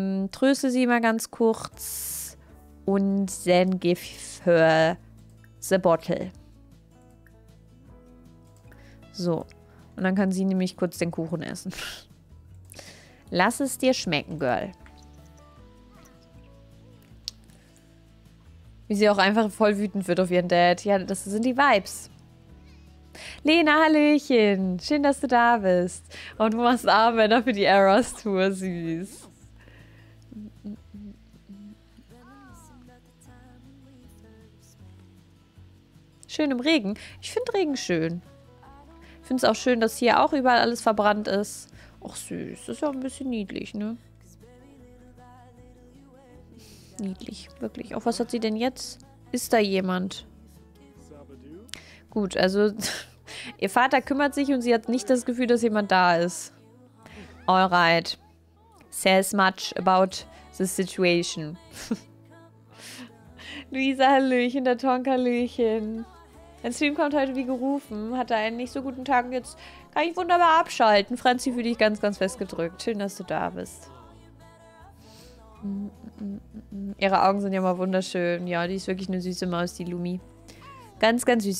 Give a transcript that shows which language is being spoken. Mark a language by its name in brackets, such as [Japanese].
[German] Tröste sie mal ganz kurz. [English] Und then give her the bottle. [German] So. Und dann kann sie nämlich kurz den Kuchen essen. Lass es dir schmecken, Girl. Wie sie auch einfach voll wütend wird auf ihren Dad. Ja, das sind die Vibes. Lena, Hallöchen. Schön, dass du da bist. Und du machst Armbänder für die Eras Tour, süß. Schön im Regen. Ich finde Regen schön. Ich finde es auch schön, dass hier auch überall alles verbrannt ist. Ach süß, das ist ja ein bisschen niedlich, ne? Niedlich, wirklich. Auch was hat sie denn jetzt? Ist da jemand? Gut, also ihr Vater kümmert sich und sie hat nicht das Gefühl, dass jemand da ist. [English] Alright. Says much about the situation. [German] Luisa, Hallöchen, der Tonk, Hallöchen. Dein Stream kommt heute wie gerufen, hatte einen nicht so guten Tag und jetzt kann ich wunderbar abschalten. Franzi, fühle dich ganz, ganz festgedrückt. Schön, dass du da bist. Ihre Augen sind ja mal wunderschön. Ja, die ist wirklich eine süße Maus, die Lumi. Ganz, ganz süß.